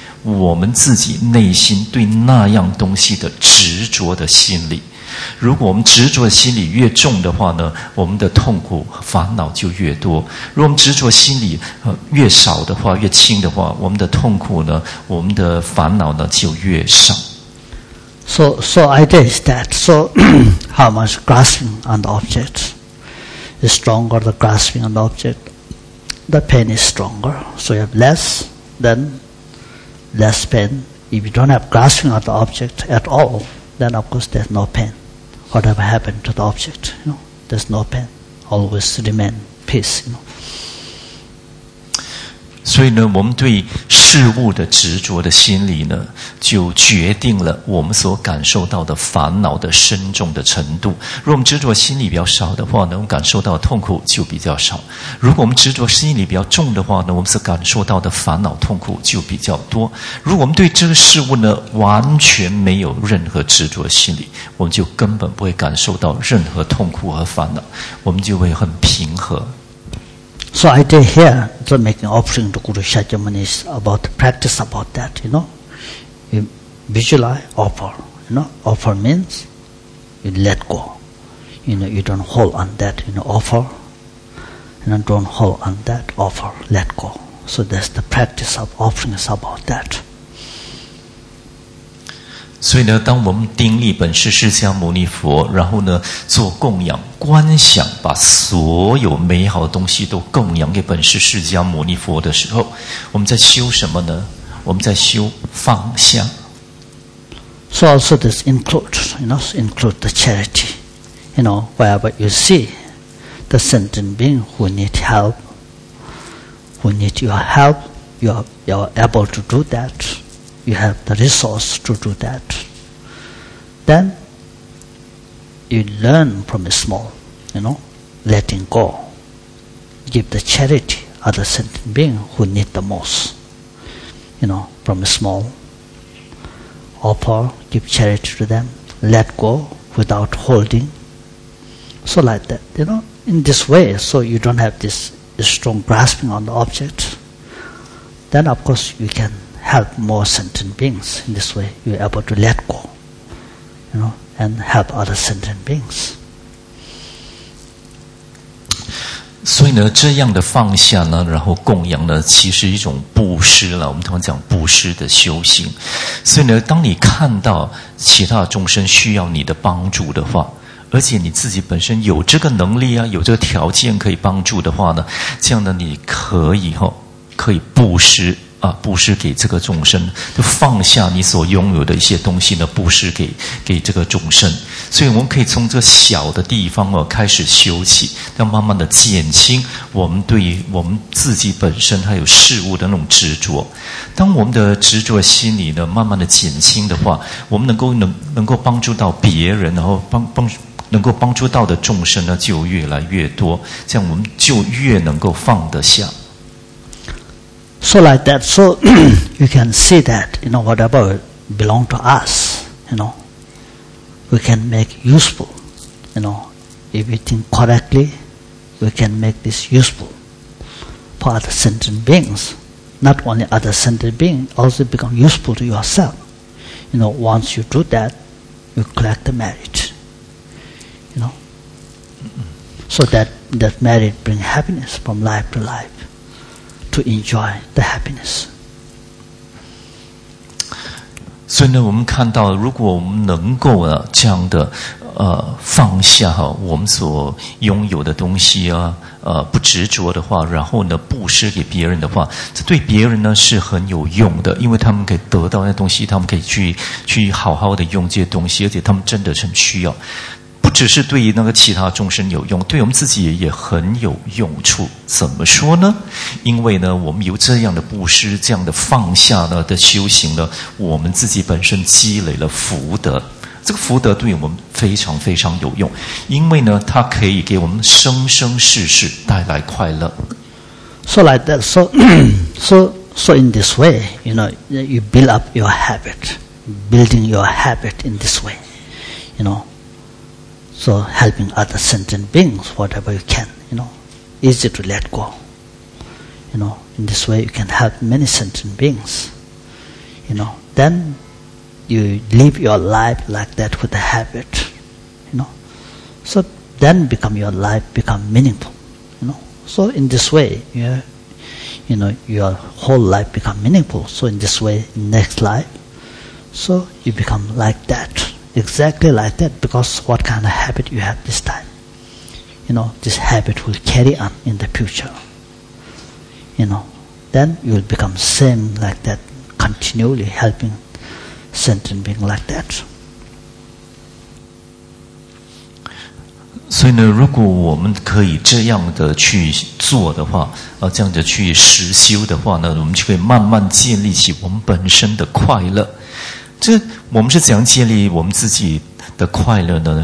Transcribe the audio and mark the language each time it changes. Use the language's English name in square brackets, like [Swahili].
[Chinese] 我们自己内心对那样东西的执着的心理。如果我们执着的心理越重的话呢，我们的痛苦烦恼就越多。如果我们执着心理越少的话，越轻的话，我们的痛苦呢，我们的烦恼呢就越少。 [English] So idea is that, so how much grasping on the object is stronger, the grasping on the object, the pain is stronger. So you have less, then less pain. If you don't have grasping on the object at all, then of course there's no pain. Whatever happened to the object, you know, there's no pain. Always remain peace, you know. [Chinese] 所以呢，我们对事物的执着的心理呢，就决定了我们所感受到的烦恼的深重的程度。如果我们执着心理比较少的话呢，我们感受到痛苦就比较少；如果我们执着心理比较重的话呢，我们所感受到的烦恼痛苦就比较多。如果我们对这个事物呢完全没有任何执着心理，我们就根本不会感受到任何痛苦和烦恼，我们就会很平和。 [English] So I did here, so making offering to Guru Shakyamuni is about the practice about that, you know. You visualize, offer, you know. Offer means you let go. You know, you don't hold on that, you know, offer. You know, don't hold on that, offer, let go. So that's the practice of offering is about that. [Chinese] 所以呢，当我们订立本师释迦牟尼佛，然后呢做供养观想，把所有美好的东西都供养给本师释迦牟尼佛的时候，我们在修什么呢？我们在修放下。 [English] So also this includes, you know, include the charity. You know, wherever you see the sentient being who need help, who need your help, you are able to do that. You have the resource to do that. Then, you learn from the small, you know, letting go. Give the charity to the sentient being who need the most. You know, from the small. Offer, give charity to them. Let go without holding. So like that, you know, in this way, so you don't have this strong grasping on the object. Then, of course, you can,help more sentient beings in this way. You're able to let go, you know, and help other sentient beings. [Chinese] 所以呢，这样的放下呢，然后供养呢，其实一种布施了。我们通常讲布施的修行。所以呢，当你看到其他众生需要你的帮助的话，而且你自己本身有这个能力啊，有这个条件可以帮助的话呢，这样呢，你可以哈，可以布施。啊，布施给这个众生，就放下你所拥有的一些东西呢，布施给这个众生。所以我们可以从这小的地方哦开始修起，要慢慢的减轻我们对于我们自己本身还有事物的那种执着。当我们的执着心理呢慢慢的减轻的话，我们能够帮助到别人，然后能够帮助到的众生呢就越来越多，这样我们就越能够放得下。 [English] So like that, so you can see that, you know, whatever belongs to us, you know, we can make useful, you know. If we think correctly, we can make this useful for other sentient beings. Not only other sentient beings, also become useful to yourself. You know, once you do that, you collect the merit, you know. So that merit brings happiness from life to life. To enjoy the happiness. [Chinese] 所以呢，我们看到，如果我们能够啊这样的放下哈、啊、我们所拥有的东西啊，不执着的话，然后呢布施给别人的话，这对别人呢是很有用的，因为他们可以得到那东西，他们可以去好好的用这些东西，而且他们真的很需要。不只是对于那个其他众生有用，对我们自己也很有用处。怎么说呢？因为呢，我们有这样的布施、这样的放下呢的修行呢，我们自己本身积累了福德。这个福德对我们非常非常有用，因为呢，它可以给我们生生世世带来快乐。 [English] So like that, so in this way, you know, you build up your habit, building your habit in this way, you know. So helping other sentient beings, whatever you can, you know, easy to let go. You know, in this way you can help many sentient beings. you know, then you live your life like that with a habit, you know. So then become your life become meaningful, you know. So in this way, you know, your whole life become meaningful. So in this way, next life, so you become like that, exactly like that, because what kind of habit you have this time, you know, this habit will carry on in the future, you know. Then you will become same like that, continually helping sentient being like that. [Chinese] 所以呢，如果我们可以这样的去做的话，这样的去实修的话呢，我们就可以慢慢建立起我们本身的快乐。这我们是怎样建立我们自己的快乐呢？